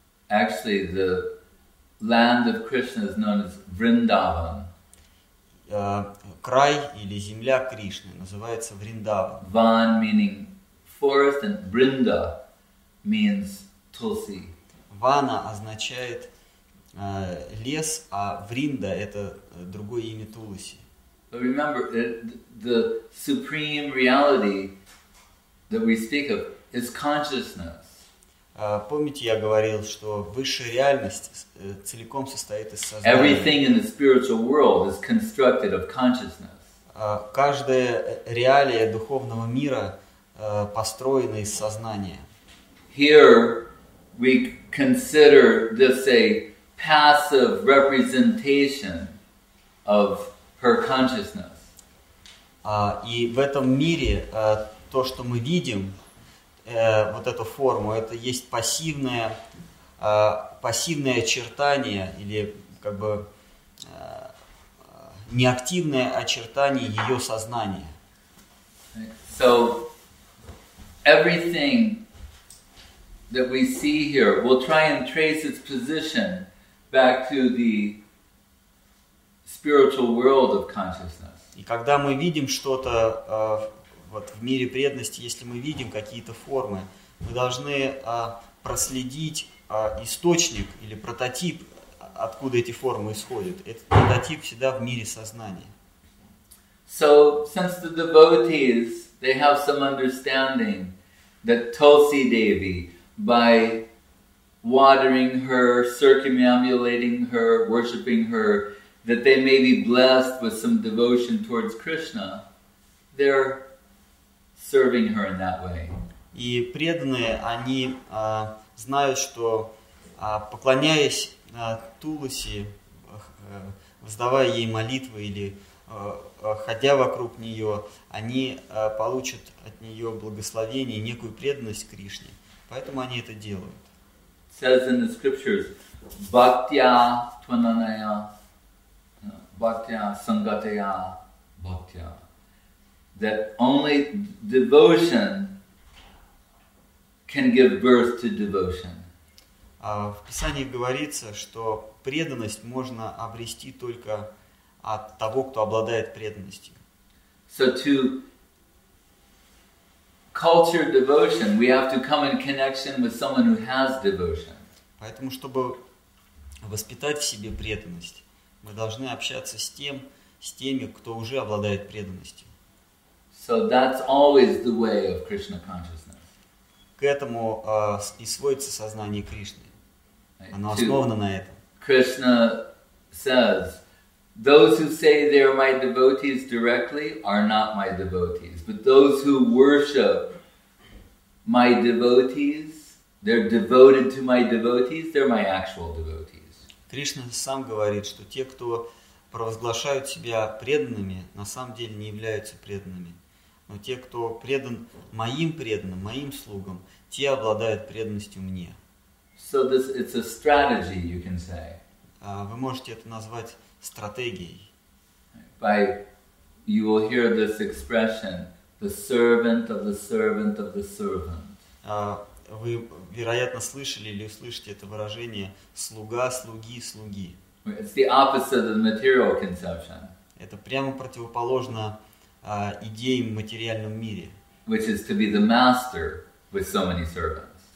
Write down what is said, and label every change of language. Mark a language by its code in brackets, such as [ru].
[en] Actually, the land of Krishna is known as Vrindavan. [ru] Край или земля Кришны называется Вриндаван. [en] Van meaning forest and Brinda means Tulsi. [ru] Vana означает лес, а Вринда — это другое имя Туласи. [en] But remember, the supreme reality that we speak of is consciousness. [ru] Помните, я говорил, что высшая реальность целиком состоит из сознания. [en] Everything in the spiritual world is constructed of consciousness. [ru] Каждая реалия духовного мира построена из сознания. [en] Here we consider this a passive representation of her consciousness. [ru] И в этом мире то, что мы видим, вот эту форму, это есть пассивное очертание или как бы неактивное очертание ее сознания. [en] So everything that we see here, we'll try and trace its position back to the spiritual world of consciousness. [ru] И когда мы видим что-то вот в мире преданности, если мы видим какие-то формы, мы должны проследить источник или прототип, откуда эти формы исходят. Этот прототип всегда в мире сознания. [en] So, since the devotees, they have some understanding that Tulsi Devi, by watering her, circumambulating her, worshiping her, that they may be blessed with some devotion towards Krishna, they're serving her in that way. [ru] И преданные, они знают, что поклоняясь Туласи, воздавая ей молитвы или ходя вокруг нее, они получат от нее благословение, некую преданность Кришне. Поэтому они это делают. [en] It says in the scriptures, [sa] bhaktya tvananaya, bhaktya sangataya, bhaktya, [en] that only devotion can give birth to devotion. [ru] В Писании говорится, что преданность можно обрести только от того, кто обладает преданностью. [en] So to culture devotion, we have to come in connection with someone who has devotion. [ru] Поэтому, чтобы воспитать в себе преданность, мы должны общаться с тем, с теми, кто уже обладает преданностью. [en] So that's always the way of Krishna consciousness. [ru] К этому и сводится сознание Кришны. Оно основано на этом. [en] Krishna says, those who say they are my devotees directly are not my devotees, but those who worship my devotees, they're devoted to my devotees, they're my actual devotees. [ru] Кришна сам говорит, что те, кто провозглашают себя преданными, на самом деле не являются преданными. Но те, кто предан моим преданным, моим слугам, те обладают преданностью мне. [en] So this, it's a strategy, you can say. [ru] Вы можете это назвать стратегией. [en] By, you will hear this expression, the servant of the servant of the servant. [ru] Вы, вероятно, слышали или услышите это выражение «слуга, слуги, слуги». [en] It's the opposite of material conception. [ru] Это прямо противоположно идеи в материальном мире. [en] Which is to be the master with so many servants.